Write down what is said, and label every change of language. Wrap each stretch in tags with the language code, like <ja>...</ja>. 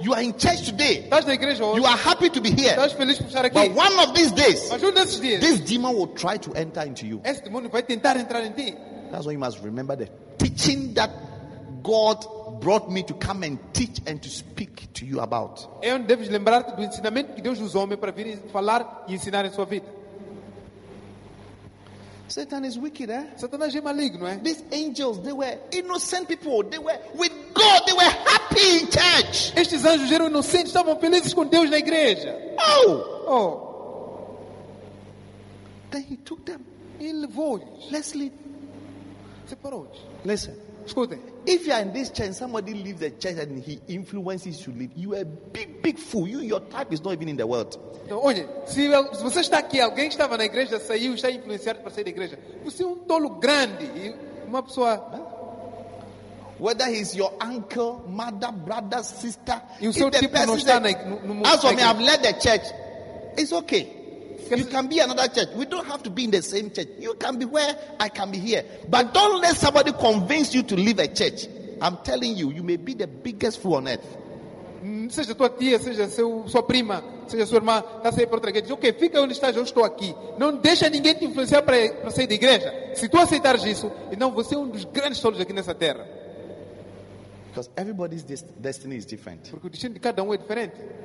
<en>You are in church today.</en> <pt>Estás na igreja hoje.</pt> <en>You are happy to be here.</en> <pt>Estás feliz por estar aqui.</pt> <en>But one of these days,</en> <pt>mas um desses dias,</pt> <en>this demon will try to enter into you.</en> <pt>Esse demônio vai tentar entrar em ti.</pt> <en>That's why you must remember the teaching that God brought me to come and teach and to speak to you about.</en> <pt>É onde deves lembrar-te do ensinamento que Deus usou-me para vir falar e ensinar em sua vida.</pt> <en>Satan is wicked, eh?</en> <pt>Satanás é maligno, eh?</pt> <en>These angels, they were innocent people. They were with God. They were happy in church.</en> <pt>Estes anjos eram inocentes, estavam felizes com Deus na igreja. Oh! Oh!</pt> <en>Then he took them.</en> <pt>Ele levou-lhes. Leslie, separou-lhes.</pt> <en>Listen.</en> <pt>Escutem.</pt> <en>If you are in this church and somebody leaves the church and he influences you to leave, you are a big, big fool. You, your type is not even in the world.</en> <pt>Olha, se você está aqui, alguém estava na igreja, saiu, está influenciado para sair da igreja. Você é tolo grande. Uma pessoa...</pt> <en>Whether he's your uncle, mother, brother, sister,</en> <pt>e o seu tipo não está no</pt> <en>as for me, I've left the church. It's okay. You can be another church. We don't have to be in the same church. You can be where I can be here. But don't let somebody convince you to leave a church. I'm telling you, you may be the biggest fool on earth.</en> <pt>Seja tua tia, seja sua prima, seja sua irmã, está saindo para outra igreja. Ok, fica onde estás, eu estou aqui. Não deixa ninguém te influenciar para sair da igreja. Se tu aceitares isso, então você é um dos grandes tolos aqui nessa terra.</pt> <en>Because everybody's destiny is different.</en> <pt>Porque o destino de cada um é diferente.</pt>